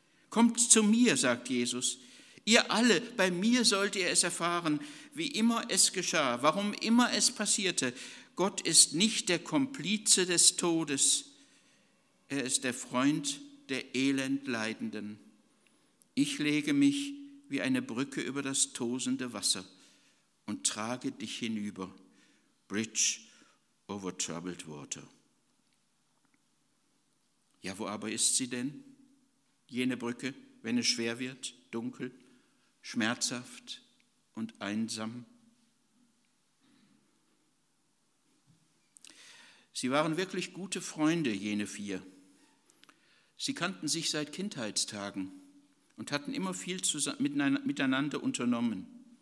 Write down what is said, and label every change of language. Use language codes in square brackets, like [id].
[de] Kommt zu mir, sagt Jesus. Ihr alle, bei mir sollt ihr es erfahren, wie immer es geschah, warum immer es passierte. Gott ist nicht der Komplize des Todes. Er ist der Freund der Elendleidenden. Ich lege mich wie eine Brücke über das tosende Wasser und trage dich hinüber. [en] Bridge over troubled water. [de] Ja, wo aber ist sie denn, jene Brücke, wenn es schwer wird, dunkel, schmerzhaft und einsam? Sie waren wirklich gute Freunde, jene vier. Sie kannten sich seit Kindheitstagen und hatten immer viel miteinander unternommen.